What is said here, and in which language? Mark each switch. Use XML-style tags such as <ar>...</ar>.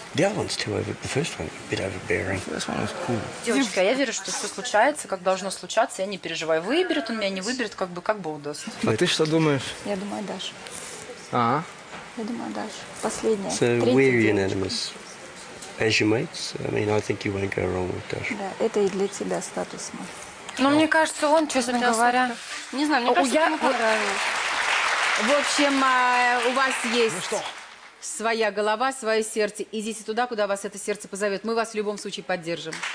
<en>The other one's too over. The first one, a bit overbearing. This one was cool.</en> <ru>Девочка, я верю, что все случается, как должно случаться. Я не переживаю. Выберет он меня, не выберет, как бы, как бы удаст. А ты что думаешь? Я думаю, Даша. А? Я думаю, Даша. Последняя.</ru> <en>So we're unanimous. As your mates, I mean, I think you won't go wrong with Dash.</en> <ru>Да, это и для тебя статус мой. Ну, мне кажется, он, честно говоря, не знаю, мне кажется, ему понравилось. В общем, у вас есть... Ну что? своя голова, свое сердце. Идите туда, куда вас это сердце позовет. Мы вас в любом случае поддержим.</ru>